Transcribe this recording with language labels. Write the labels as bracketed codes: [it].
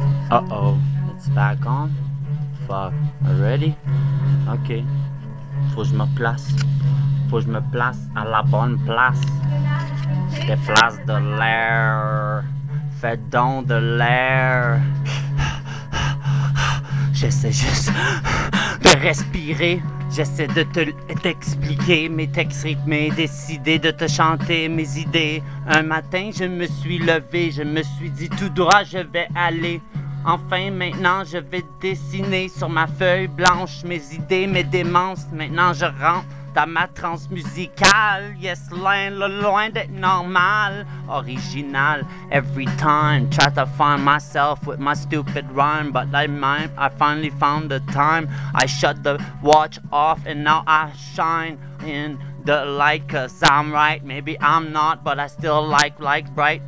[en] Uh-oh, it's back on. Fuck, already? Okay. [fr] Faut que je me place. Faut que je me place à la bonne place. Des places de l'air. Fais donc de l'air. J'essaie juste de respirer. J'essaie de te t'expliquer mes textes rythmés. Décider de te chanter mes idées. Un matin, je me suis levé. Je me suis dit tout droit, je vais aller. Enfin, maintenant, je vais dessiner sur ma feuille blanche mes idées, mes démences. Maintenant, je rentre dans ma transe musicale. Yes, loin d'être normal, original. [en] Every time, try to find myself with my stupid rhyme. But I finally found the time. I shut the watch off and now I shine in the light. Cause I'm right, maybe I'm not, but I still like bright.